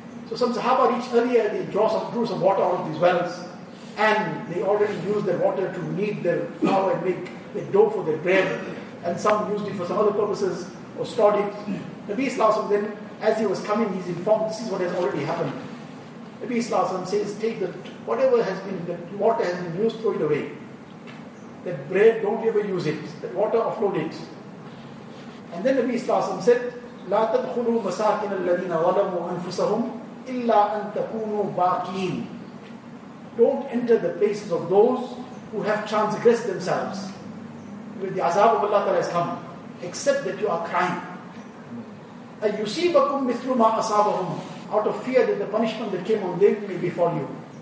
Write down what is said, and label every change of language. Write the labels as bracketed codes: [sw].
[en] So some Sahaba reached earlier, they drew some water out of these wells, and they already used their water to knead their flour and make the dough for their bread. And some used it for some other purposes or stored it. Nabi Sallallahu Alaihi Wasallam, as he was coming, he's informed, this is what has already happened. Nabi Sallallahu Alaihi Wasallam says, take the water has been used, throw it away. That bread, don't ever use it. That water, offload it. And then Nabi Sallallahu Alaihi Wasallam said, [ar] لا تدخلوا مساكن الذين ظلموا أنفسهم إلا أن تكونوا باقين. [en] Don't enter the places of those who have transgressed themselves. With the azab of Allah Ta'ala has come, except that you are crying. And [ar] yusibakum mithlu ma asabahum, [en] out of fear that the punishment that came on them may befall you.